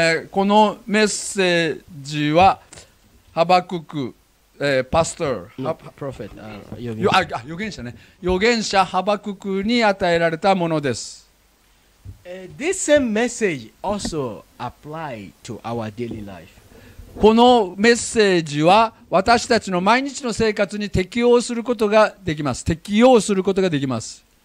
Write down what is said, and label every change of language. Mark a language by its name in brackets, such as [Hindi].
[Japanese] このメッセージは、ハバククパスター、プロフェット、預言者ね、預言者ハバククに与えられたものです。 [English] This same message also apply to our daily life. [Japanese] このメッセージは私たちの毎日の生活に適応することができます。適応することができます。